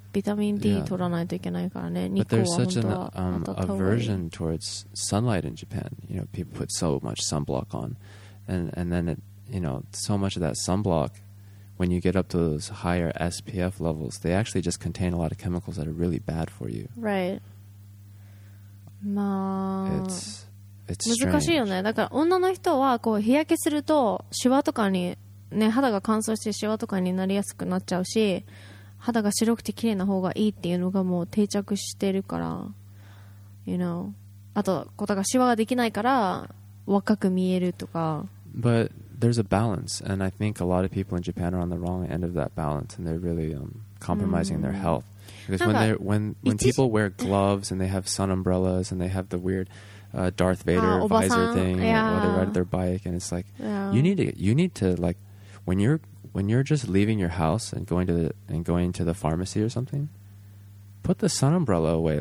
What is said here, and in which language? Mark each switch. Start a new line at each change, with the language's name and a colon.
Japanese: ビタミン D 取らないといけないからね。
English: But there's such an aversion towards sunlight in Japan. You know, people put so much sunblock on, and then it, you know, so much of that sunblock, when you get up to those higher SPF levels, they actually just contain a lot of chemicals that are really bad for you. Right.
Japanese: まあ、
English: it's
Japanese: 難しいよね。だから女の人はこう日焼けするとシワとかにね、肌が乾燥してシワとかになりやすくなっちゃうし。肌が白くて綺麗な方がいいっていうのがもう定着してるから、
English: you know、
Japanese: あとこだがシワができないから若く見えるとか。
English: But there's a balance, and I think a lot of people in Japan are on the wrong end of that balance, and they're really compromising their health, because when people wear gloves and they have sun umbrellas and they have the weird Darth Vader visor thing while they ride their bike, and it's like you need to like when you're just leaving your house and going to the pharmacy or something, put the sun umbrella away.